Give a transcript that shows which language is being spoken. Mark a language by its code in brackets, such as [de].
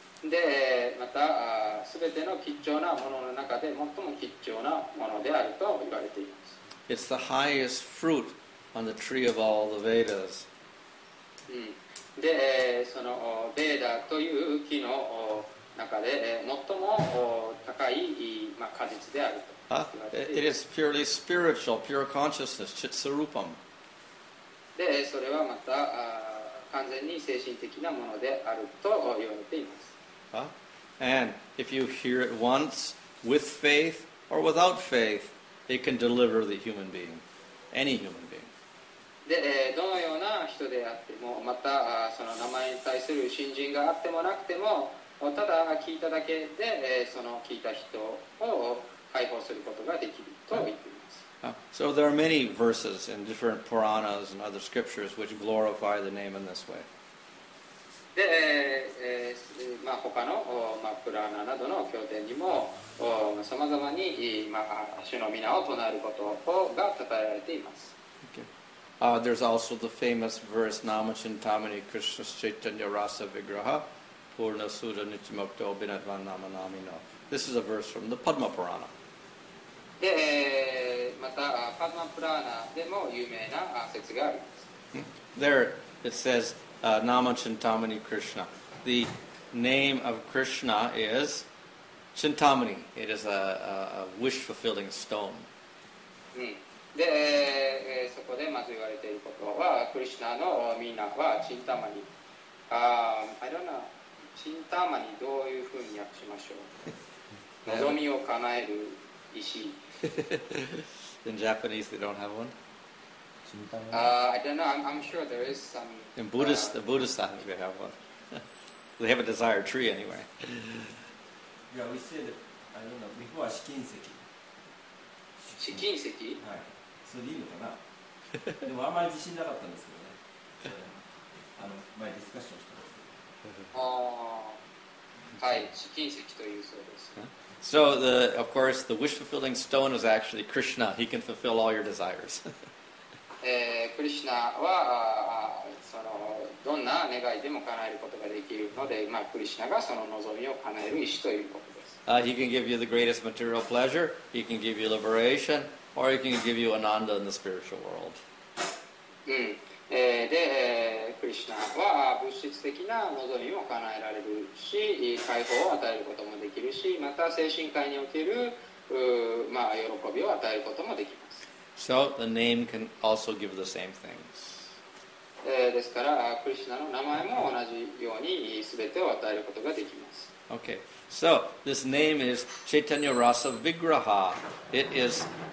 [ja] で、また、すべての貴重なものの中で最も貴重なものであると言われています。 [en] It's the highest fruit on the tree of all the Vedas. [ja] で、そのベーダという木の中で最も高い、まあ、果実であると。 [en] It is purely spiritual, pure consciousness, chitsarupam. [ja] で、それはまた完全に精神的なものであると言われています。 [en] And if you hear it once, with faith or without faith, it can deliver the human being, any human being. [ja] で、どのような人であっても、またその名前に対する信心があってもなくても、ただ聞いただけで、その聞いた人を解放することができると言っています。 [en] So there are many verses in different Puranas and other scriptures which glorify the name in this way. [ja] で、まあ、他の、まあ、プラーナなどの経典にも、さまざまに、まあ、主の皆を唱えることが称えられています。 [en] Okay. There's also the famous verse [sa] Namachintamani Krishna Chaitanya Rasa Vigraha Purna Sudha Nityamukta Obinadvan Nama Namino. [en] This is a verse from the Padma Purana. [ja] で、また、パドマプラーナでも有名な説があります。 [en] There it says, Nama Chintamani Krishna. The name of Krishna is Chintamani. It is a wish-fulfilling stone. [ja] で、そこでまず言われていることは、クリシナのミナはチンタマニ。 [en] I don't know. [ja] チンタマニどういうふうに訳しましょう。望みを叶える石。 [en] In Japanese, they don't have one. I don't know. I'm sure there is some. In Buddhist, the Buddhist times they have one. They have a desire tree anyway. Yeah, we said, I don't know. Before, 資金石。 [ja] 資金石？はい。それでいいのかな？でもあんまり自信なかったんですけどね。あの前ディスカッションしたんですけど。ああ。はい、資金石というそうです。 [en] So, the, of course, the wish-fulfilling stone is actually Krishna. He can fulfill all your desires. [ja] Krishna は、その、どんな願いでも叶えることができるので、まあ、クリシナがその望みを叶える石ということです。 [en] He can give you the greatest material pleasure, he can give you liberation, or he can give you ananda in the spiritual world. [ja] で、クリシナは物質的な望みも叶えられるし、解放を与えることもできるし、また精神界における、まあ、喜びを与えることもできます。 [en] So, the name can also give the same things. [ja] ですから、クリシナの名前も同じように全てを与えることができます。 [en] Okay. So, this name is Chaitanya Rasa Vigraha. It is